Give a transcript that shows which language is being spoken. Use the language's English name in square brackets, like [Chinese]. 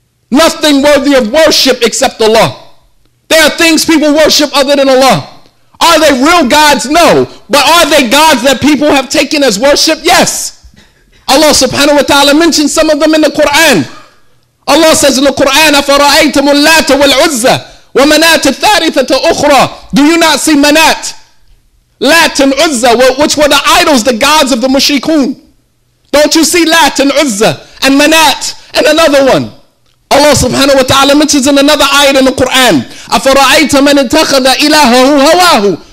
[English] Nothing worthy of worship except Allah. There are things people worship other than Allah. Are they real gods? No. But are they gods that people have taken as worship? Yes. Allah subhanahu wa ta'ala mentioned some of them in the Quran. Allah says in the Quran, [Arabic] أَفَرَأَيْتُمُ اللَّاتَ وَالْعُزَّةَ وَمَنَاتِ الثَّارِثَةَ أُخْرَى. [English] Do you not see Manat, Lat and Uzza, which were the idols, the gods of the Mushrikun? Don't you see Lat and Uzza and Manat and another one? Allah subhanahu wa ta'ala mentions in another ayat in the Quran, [Arabic] أَفَرَأَيْتَ مَنِ اتَّخَذَ إِلَهَهُ هَوَاهُ.